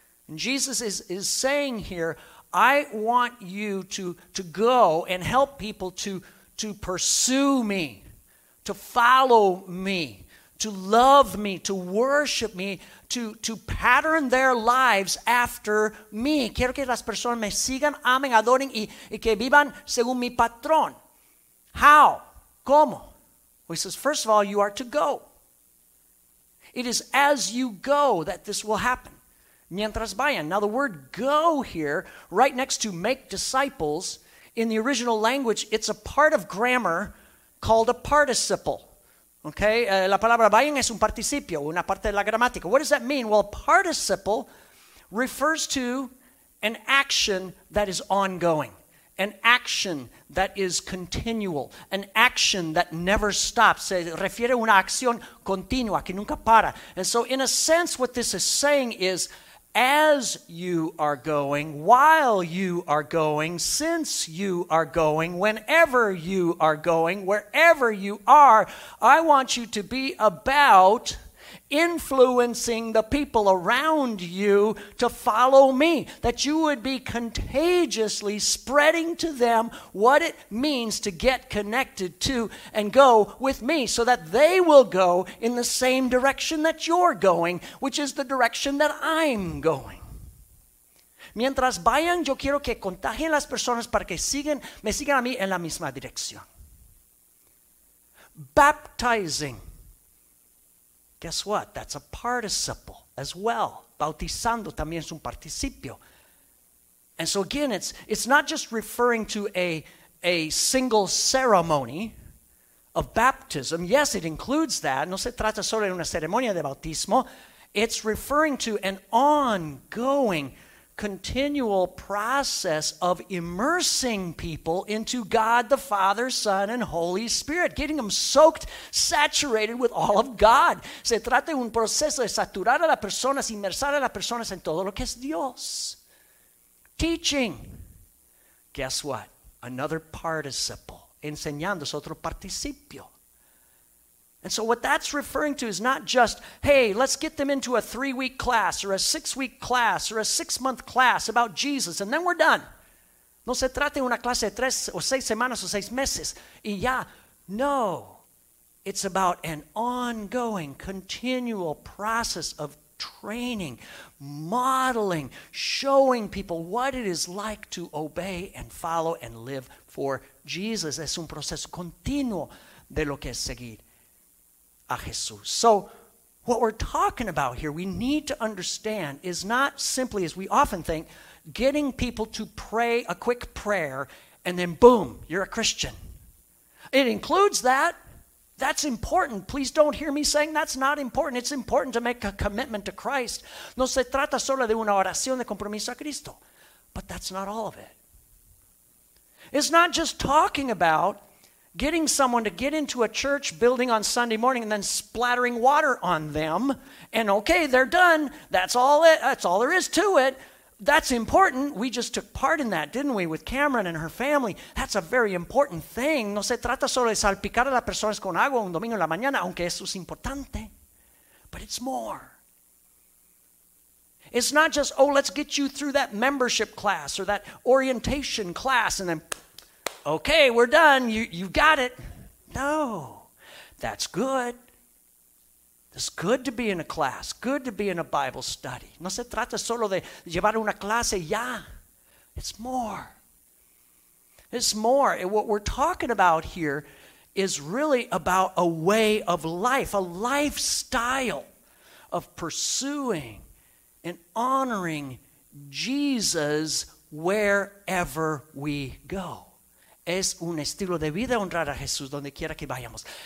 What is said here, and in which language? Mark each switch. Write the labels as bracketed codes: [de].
[en] And Jesus is saying here, I want you to go and help people to pursue me, to follow me, to love me, to worship me, to pattern their lives after me. [es] Quiero que las personas me sigan, amen, adoren y que vivan según mi patrón. [en] How? [es] ¿Cómo? [en] Well, he says, first of all, you are to go. It is as you go that this will happen. [es] Mientras vayan. [en] Now the word go here, right next to make disciples, in the original language, it's a part of grammar called a participle. [es] Okay, la palabra vayan es un participio, una parte de la gramática. [en] What does that mean? Well, participle refers to an action that is ongoing, an action that is continual, an action that never stops. [es] Se refiere a una acción continua, que nunca para. [en] And so in a sense, what this is saying is, as you are going, while you are going, since you are going, whenever you are going, wherever you are, I want you to be about influencing the people around you to follow me, that you would be contagiously spreading to them what it means to get connected to and go with me, so that they will go in the same direction that you're going, which is the direction that I'm going. [es] Mientras vayan, yo quiero que contagien las personas para que me sigan a mí en la misma dirección. [en] Baptizing. Guess what? That's a participle as well. [es] Bautizando también es un participio. [en] And so again, it's not just referring to a single ceremony of baptism. Yes, it includes that. [es] No se trata solo de una ceremonia de bautismo. [en] It's referring to an ongoing, continual process of immersing people into God the Father, Son, and Holy Spirit, getting them soaked, saturated with all of God. [es] Se trata de un proceso de saturar a las personas, inmersar a las personas en todo lo que es Dios. [en] Teaching. Guess what? Another participle. [es] Enseñando es otro participio. [en] And so what that's referring to is not just, hey, let's get them into a 3-week class or a 6-week class or a 6-month class about Jesus and then we're done. [es] No se trata de una clase de 3 o 6 semanas o 6 meses y ya. [en] No, it's about an ongoing, continual process of training, modeling, showing people what it is like to obey and follow and live for Jesus. [es] Es un proceso continuo de lo que es seguir a Jesús. [en] So what we're talking about here, we need to understand, is not simply, as we often think, getting people to pray a quick prayer and then boom, you're a Christian. It includes that. That's important. Please don't hear me saying that's not important. It's important to make a commitment to Christ. [es] No se trata solo de una oración de compromiso a Cristo. [en] But that's not all of it. It's not just talking about getting someone to get into a church building on Sunday morning and then splattering water on them, and okay, they're done. That's all it. That's all there is to it. That's important. We just took part in that, didn't we, with Cameron and her family. That's a very important thing. [es] No se trata solo de salpicar a las personas con agua un domingo en la mañana, aunque eso es importante. [en] But it's more. It's not just, oh, let's get you through that membership class or that orientation class and then okay, we're done. You got it. No, that's good. It's good to be in a class. Good to be in a Bible study. [es] No se trata solo de llevar una clase ya. [en] It's more. It's more. And what we're talking about here is really about a way of life, a lifestyle of pursuing and honoring Jesus wherever we go. [es] Es un estilo de vida honrar a Jesús donde quiera que vayamos.